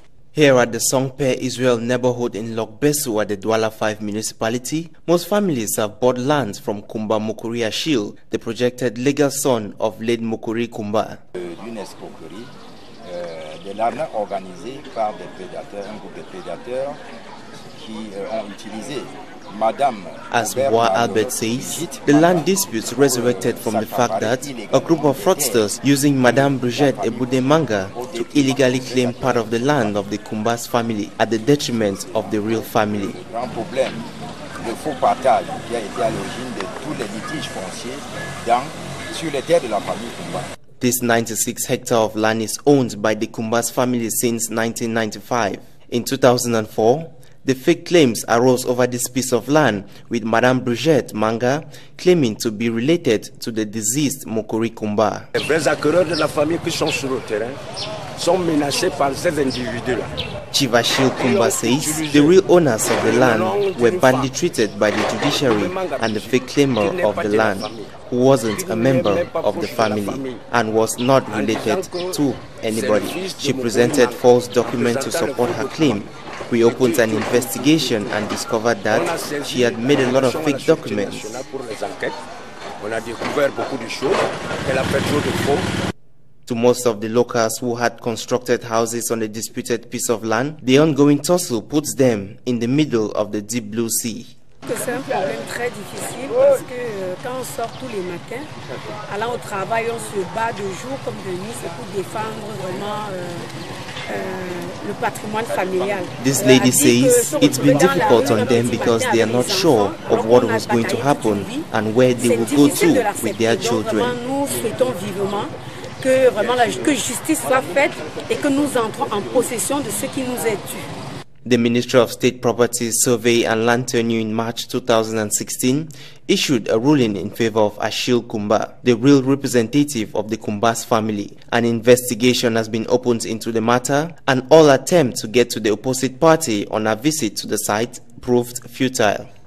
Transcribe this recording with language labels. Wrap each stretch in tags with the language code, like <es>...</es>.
<en>Here at the Songpe Israel neighborhood in Logbeso at the Douala 5 municipality, most families have bought land from Kumba Mukuri Ashil, the projected legal son of late Mukuri Kumba.</en> <fr>De l'arme organisée par des prédateurs, un groupe de prédateurs qui ont utilisé. Madame,</fr> <en>as Boa Albert says, the land disputes resurrected from the fact that a group of fraudsters using Madame Brigitte Ebudemanga to illegally claim part of the land of the Kumbas family at the detriment of the real family.</en> <fr>Le faux partage qui a été à l'origine de tous les litiges fonciers sur les terres de la famille Kumba.</fr> <en>This 96 hectares of land is owned by the Kumbas family since 1995. In 2004, The fake claims arose over this piece of land, with Madame Brigitte Manga claiming to be related to the deceased Mokori Kumba.</en> <fr>Les vrais acquéreurs de la famille qui sont sur le terrain sont menacés par ces individus-là.</fr> <en>Chief Achille Kumba says the real owners of the land were badly treated by the judiciary and the fake claimer of the land, who wasn't a member of the family and was not related to anybody. She presented false documents to support her claim. We opened an investigation and discovered that she had made a lot of fake documents. To most of the locals who had constructed houses on the disputed piece of land, the ongoing tussle puts them in the middle of the deep blue sea.</en> <fr>C'est un problème très difficile parce que quand on sort tous les matins, allant au travail, on se bat de jour comme de nuit, c'est pour défendre vraiment le patrimoine familial.</fr> <en>This lady says it's been difficult on them because they are not sure of what was going to happen and where they will go to with their children.</en> <fr>Donc vraiment, nous souhaitons vivement que vraiment que justice soit faite et que nous entrons en possession de ce qui nous est dû.</fr> <en>The Ministry of State Property, Survey and Land Tenure in March 2016 issued a ruling in favor of Achille Kumba, the real representative of the Kumba's family. An investigation has been opened into the matter, and all attempts to get to the opposite party on a visit to the site proved futile.</en>